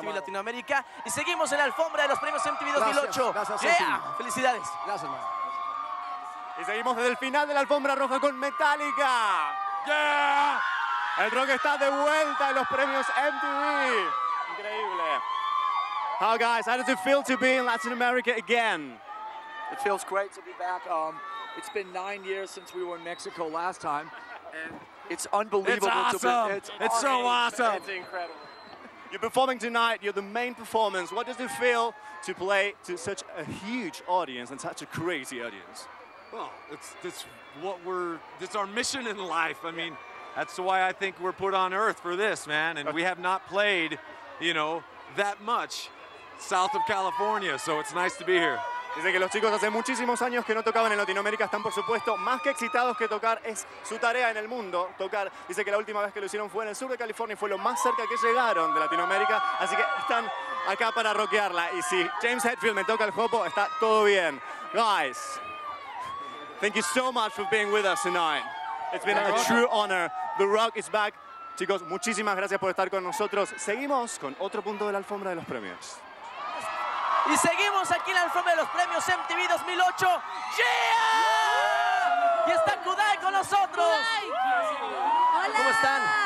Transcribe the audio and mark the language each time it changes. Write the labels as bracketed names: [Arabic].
[Spanish] hermano. Latinoamérica. Y seguimos en la alfombra de los premios MTV 2008. Gracias, yeah. Felicidades. Gracias, hermano. Y seguimos desde el final de la alfombra roja con Metallica. ¡Yeah! El rock está de vuelta en los premios MTV. Increíble. [English] How guys, how does it feel to be in Latin America again? It feels great to be back. It's been 9 years since we were in Mexico last time. And It's unbelievable. It's awesome. It's so awesome. It's incredible. You're performing tonight. You're the main performance. What does it feel to play to such a huge audience and such a crazy audience? Well, it's our mission in life. I mean, that's why I think we're put on Earth for this, man. And we have not played, that much south of California, so it's nice to be here. [Spanish] Dice que los chicos hace muchísimos años que no tocaban en Latinoamérica, están por supuesto más que excitados que tocar, es su tarea en el mundo tocar. Dice que la última vez que lo hicieron fue en el sur de California, fue lo más cerca que llegaron de Latinoamérica, así que están acá para rockearla. Y si James Hetfield me toca el jopo, está todo bien. [English] Guys, thank you so much for being with us tonight. It's been a true honor. The Rock is back. [Spanish] Chicos, muchísimas gracias por estar con nosotros. Seguimos con otro punto de la alfombra de los premios. Y seguimos aquí en la alfombra de los premios MTV 2008. ¡Yeah! Y está Kudai con nosotros. ¡Hola! ¿Cómo están?